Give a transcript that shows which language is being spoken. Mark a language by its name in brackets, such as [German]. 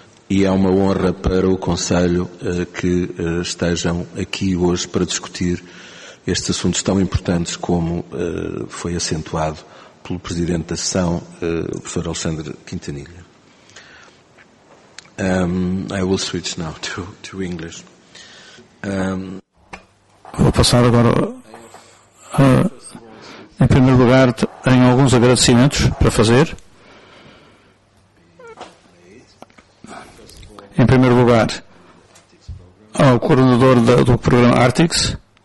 [Portuguese] E é uma honra para o Conselho que estejam aqui hoje para discutir estes assuntos tão importantes, como foi acentuado pelo Presidente da Sessão, o professor Alexandre Quintanilha. [English] I will switch now to English. [Portuguese] Vou passar agora, em primeiro lugar, em alguns agradecimentos para fazer. Em primeiro lugar, ao coordenador do programa Artix.